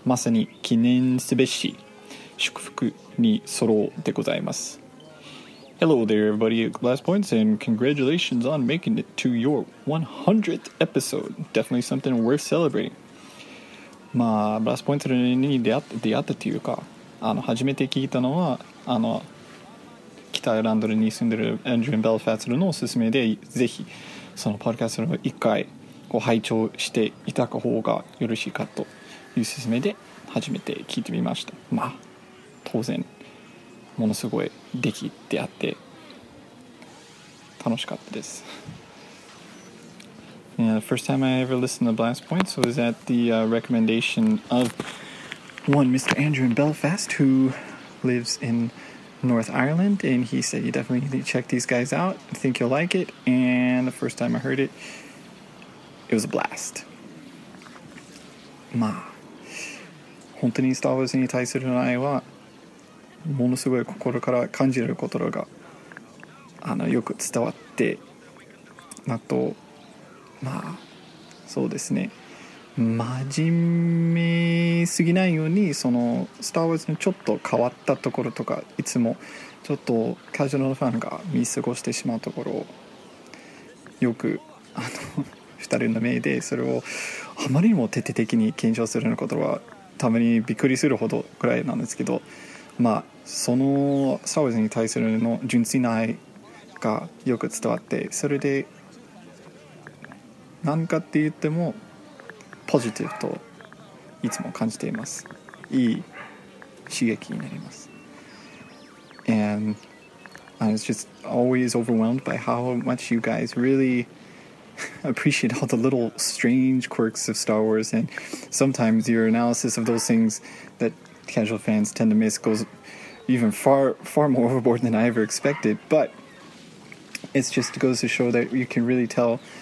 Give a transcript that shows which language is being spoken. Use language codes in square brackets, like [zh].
[ja] まさに記念すべし祝福に揃うでございます。 [en] Hello there, everybody at Glass Points, and congratulations on making it to your 100th episode. Definitely something worth celebrating. [ja] まあ、ブラスポイントに出会ったというか、初めて聞いたのは、北アイランドに住んでるアンドリュー・ベルファストのおすすめで、ぜひ、そのポッドキャストの一回、拝聴していただく方がよろしいかというおすすめで、初めて聞いてみました。まあ、当然。ものすごい出来であって楽しかったです。 [en] Yeah, the first time I ever listened to Blast Points was at the recommendation of one Mr. Andrew in Belfast, who lives in North Ireland, and he said you definitely need to check these guys out. I think you'll like it. And the first time I heard it, it was a blast. [ja] まあ、本当にスター・ウォーズに対する愛はものすごい心から感じられることがよく伝わってなと、まあそうですね、真面目すぎないように、そのスター・ウォーズのちょっと変わったところとか、いつもちょっとカジュアルファンが見過ごしてしまうところをよく二人の目で、それをあまりにも徹底的に検証するようなことはたまにびっくりするほどくらいなんですけど、まあ、そのスターウォーズに対するの純粋な愛がよく伝わって、それで何かって言ってもポジティブといつも感じています。いい刺激になります。 [en] And I was just always overwhelmed by how much you guys really appreciate all the little strange quirks of Star Wars, and sometimes your analysis of those things that casual fans tend to miss goes even far, far more overboard than I ever expected, but it just goes to show that you can really tell